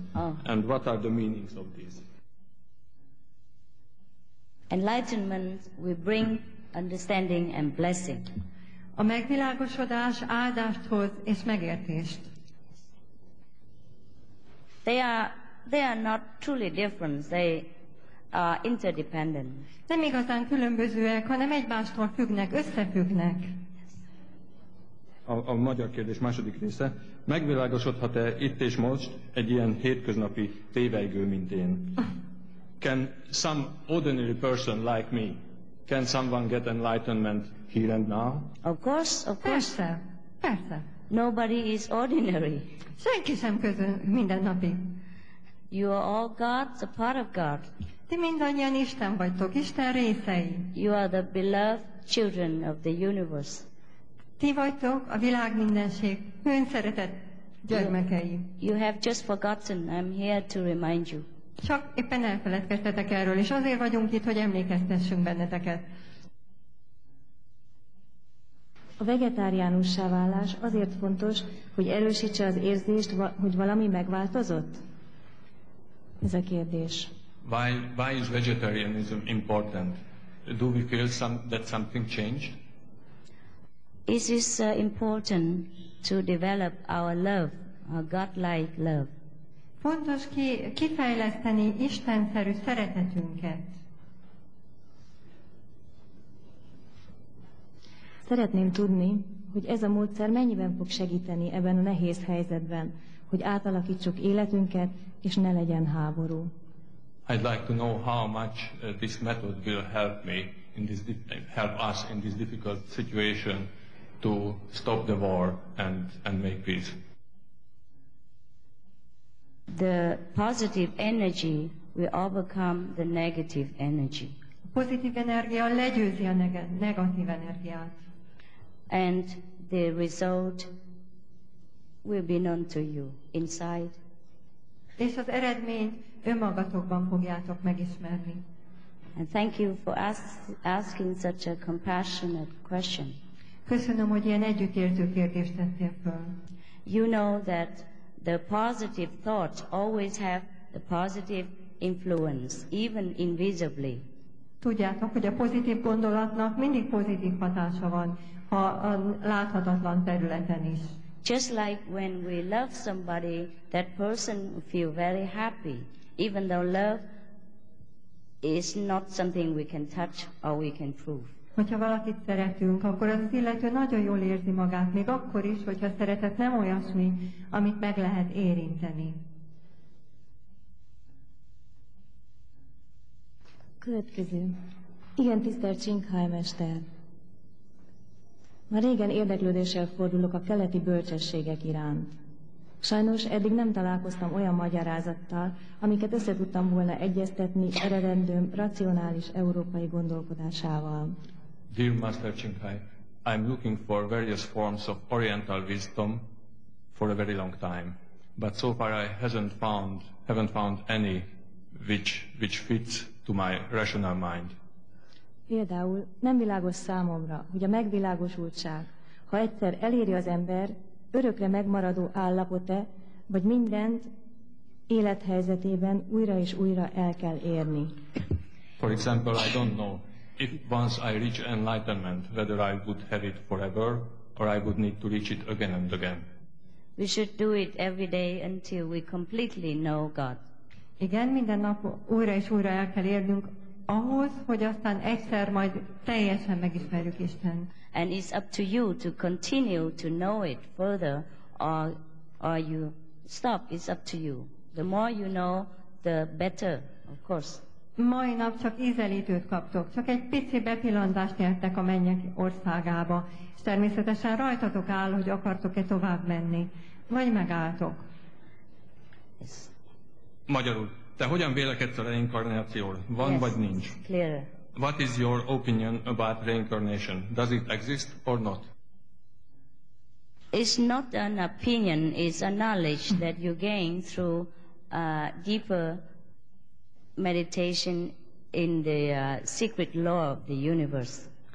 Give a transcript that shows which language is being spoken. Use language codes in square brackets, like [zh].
[en] Oh. And what are the meanings of these? Enlightenment will bring understanding and blessing. [hu] A megvilágosodás áldást hoz és megértést. [en] They are not truly different, they are interdependent. [hu] Nem igazán különbözőek, hanem egymástól függnek, összefüggnek. A magyar kérdés második része. Megvilágosodhat-e itt és most egy ilyen hétköznapi tévejgő, mint én? [en] Can some ordinary person like me, can someone get enlightenment here and now? Of course, of course. [hu] Persze, persze. [en] Nobody is ordinary. [hu] Senki sem közön mindennapi. [en] You are all gods, a part of God. [hu] Ti mindannyian Isten vagytok, Isten részei. [en] You are the beloved children of the universe. [hu] Ti vagytok a világ mindenség önszeretett gyermekei. [en] You have just forgotten. I'm here to remind you. [hu] Csak éppen elfeledkeztetek erről, és azért vagyunk itt, hogy emlékeztessünk benneteket. A vegetáriánussá válás azért fontos, hogy erősítse az érzést, hogy valami megváltozott? Ez a kérdés. [en] Why is vegetarianism important? Do we feel that something changed? It is important to develop our love, our God-like love. [hu] Fontos kifejleszteni Istenszerű szeretetünket. Szeretném tudni, hogy ez a módszer mennyiben fog segíteni ebben a nehéz helyzetben, hogy átalakítsuk életünket, és ne legyen háború. [en] I'd like to know how much this method will help me in this help us in this difficult situation to stop the war and make peace. The positive energy will overcome the negative energy. [hu] A pozitív energia legyőzi a negatív energiát. [en] And the result will be known to you inside. [hu] És az eredményt önmagatokban fogjátok megismerni. [en] And thank you for asking such a compassionate question. [hu] Köszönöm, hogy ilyen együttérző kérdést tettél föl. [en] You know that the positive thoughts always have the positive influence, even invisibly. [hu] Tudjátok, hogy a pozitív gondolatnak mindig pozitív hatása van, ha a láthatatlan területen is. [en] Just like when we love somebody, that person feel very happy, even though love is not something we can touch or we can prove. [hu] Hogyha valakit szeretünk, akkor az illető nagyon jól érzi magát, még akkor is, hogyha szeretet nem olyasmi, amit meg lehet érinteni. Következő. Igen, tisztelt Csinkhaj mester. Már régen érdeklődéssel fordulok a keleti bölcsességek iránt. Sajnos eddig nem találkoztam olyan magyarázattal, amiket össze tudtam volna egyeztetni eredendőm racionális európai gondolkodásával. [en] Dear Master Csinkhaj, I'm looking for various forms of oriental wisdom for a very long time, but so far I haven't found any which fits to my rational mind. [hu] Például nem világos számomra, hogy a megvilágosultság, ha egyszer eléri az ember, örökre megmaradó állapot-e, vagy mindent élethelyzetében újra és újra el kell érni. [en] For example, I don't know if once I reach enlightenment, whether I would have it forever, or I would need to reach it again and again. We should do it every day until we completely know God. [hu] Igen, minden nap újra és újra el kell érnünk ahhoz, hogy aztán egyszer majd teljesen megismerjük Istent. [en] And it's up to you to continue to know it further or you stop. It's up to you. The more you know, the better, of course. [hu] Mai nap csak ízelítőt kaptok, csak egy pici bepillantást nyertek a mennyek országába, és természetesen rajtatok áll, hogy akartok-e tovább menni, vagy megálltok. [en] Yes. [hu] Magyarul, te hogyan vélekedsz a reinkarnációról? Van [en] yes, [hu] vagy nincs? [en] Clearer. What is your opinion about reincarnation? Does it exist or not? It's not an opinion, it's a knowledge that you gain through deeper meditation in the secret law of the universe.